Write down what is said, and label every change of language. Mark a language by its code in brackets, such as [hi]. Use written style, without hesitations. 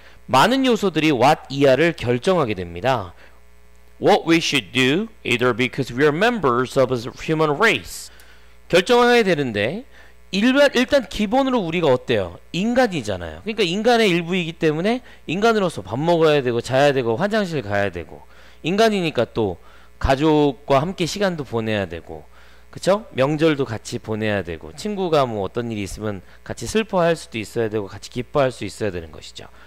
[ko] 많은 요소들이 what 이하를 결정하게 됩니다. [en] What we should do either because we are members of a human race. [ko] 결정하게 되는데 일단 기본으로 우리가 어때요? 인간이잖아요. 그러니까 인간의 일부이기 때문에 인간으로서 밥 먹어야 되고 자야 되고 화장실 가야 되고 인간이니까 또 가족과 함께 시간도 보내야 되고 그쵸? 명절도 같이 보내야 되고 친구가 뭐 어떤 일이 있으면 같이 슬퍼할 수도 있어야 되고 같이 기뻐할 수 있어야 되는 것이죠.